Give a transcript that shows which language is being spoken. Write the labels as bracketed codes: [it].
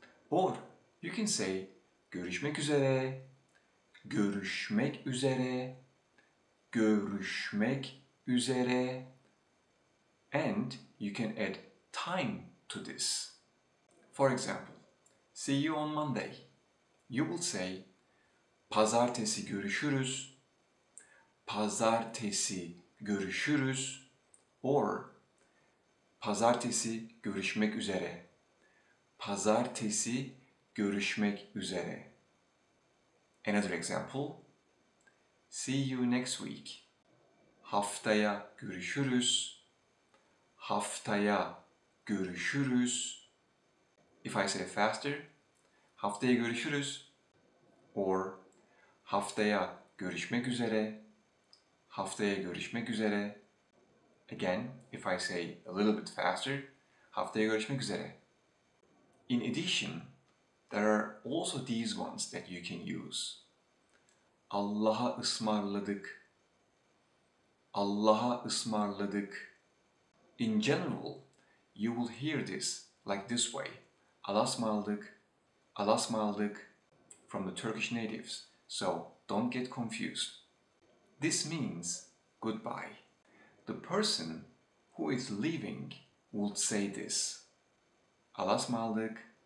[tr] Or you can say görüşmek üzere, görüşmek üzere, görüşmek üzere. [en] And you can add time to this. For example, see you on Monday. [tr] You will say pazartesi görüşürüz, pazartesi görüşürüz, or pazartesi görüşmek üzere, pazartesi görüşmek üzere. [en] Another example, see you next week. [tr] Haftaya görüşürüz, haftaya görüşürüz. If I say faster, haftaya görüşürüz, or haftaya görüşmek üzere, haftaya görüşmek üzere. [en] Again, if I say a little bit faster, haftaya görüşmek üzere. In addition, there are also these ones that you can use. [tr] Allah'a ısmarladık, Allah'a ısmarladık. [en] In general, you will hear this like this way. [tr] Allah'a ısmarladık, Allah'a ısmarladık, from the Turkish natives. [en] So don't get confused. This means goodbye. The person who is leaving would say this. Allah'a ısmarladık.